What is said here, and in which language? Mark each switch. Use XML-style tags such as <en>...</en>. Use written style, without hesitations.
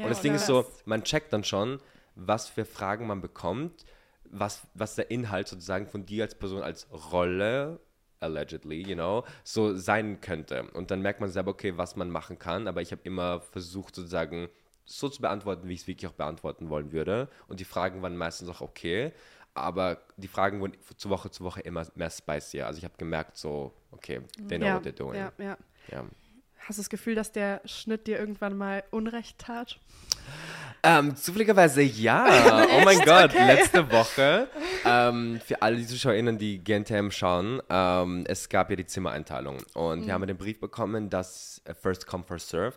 <de>und das Ding ist so, man checkt dann schon, was für Fragen man bekommt, was der Inhalt sozusagen von dir als Person, als Rolle,</de> <en>allegedly, you know,</en> <de>so sein könnte. Und dann merkt man selber, okay, was man machen kann. Aber ich habe immer versucht, sozusagen so zu beantworten, wie ich es wirklich auch beantworten wollen würde. Und die Fragen waren meistens auch okay. Aber die Fragen wurden zu Woche immer mehr spicier. Also ich habe gemerkt so, okay,</de> <en>they know what they're doing.</en> <de>Hast du das Gefühl, dass der Schnitt dir irgendwann mal Unrecht tat? Zufälligerweise ja. Oh mein Gott, okay. Letzte Woche. Für alle die ZuschauerInnen, die GNTM schauen, es gab ja die Zimmereinteilung. Und wir haben den Brief bekommen, dass</de> <en>first come, first serve.</en>